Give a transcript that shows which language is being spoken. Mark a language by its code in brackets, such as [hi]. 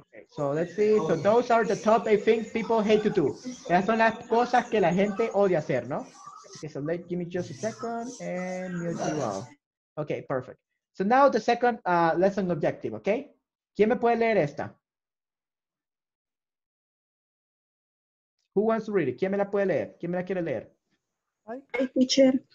[en] So let's see, so those are the top 8 things people hate to do. [es] Esas son las cosas que la gente odia hacer, ¿no? [en] Okay, so let give me just a second and mute you all. Okay, perfect. So now the second lesson objective, okay? [es] ¿Quién me puede leer esta? [en] Who wants to read it? [es] ¿Quién me la puede leer? ¿Quién me la quiere leer? [en] Hi, teacher.